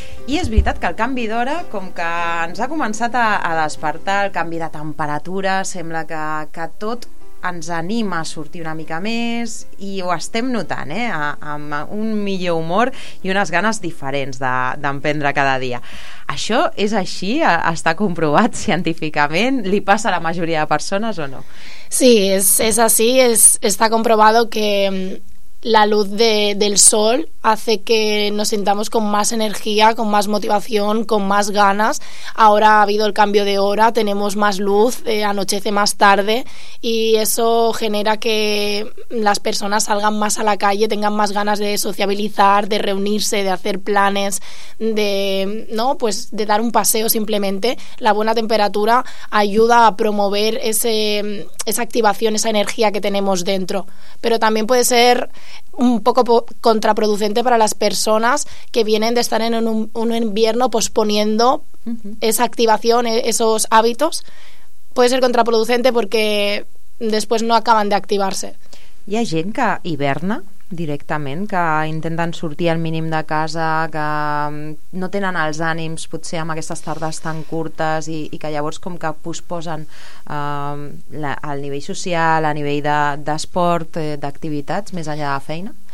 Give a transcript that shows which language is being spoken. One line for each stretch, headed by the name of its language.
Catalan: I és veritat que el canvi d'hora, com que ens ha començat a despertar, el canvi de temperatura, sembla que tot ens anima a sortir una mica més, i ho estem notant, amb un millor humor i unes ganes diferents d'emprendre cada dia. Això és així? Està comprovat científicament? Li passa a la majoria de persones o no? Sí, és així. Està comprovat que
Spanish: la luz del sol hace que nos sintamos con más energía, con más motivación, con más ganas. Ahora ha habido el cambio de hora, tenemos más luz, anochece más tarde, y eso genera que las personas salgan más a la calle, tengan más ganas de sociabilizar, de reunirse, de hacer planes, de dar un paseo simplemente. La buena temperatura ayuda a promover esa activación, esa energía que tenemos dentro. Pero también puede ser un poco contraproducente para las personas que vienen de estar en un invierno posponiendo esa activación, esos hábitos. Puede ser contraproducente porque después no acaban de activarse.
Catalan: Hi ha gent que hiberna directament, que intenten sortir al mínim de casa, que no tenen els ànims potser amb aquestes tardes tan curtes, i que llavors com que posposen al nivell social, a nivell d'esport, d'activitats, més enllà de la feina?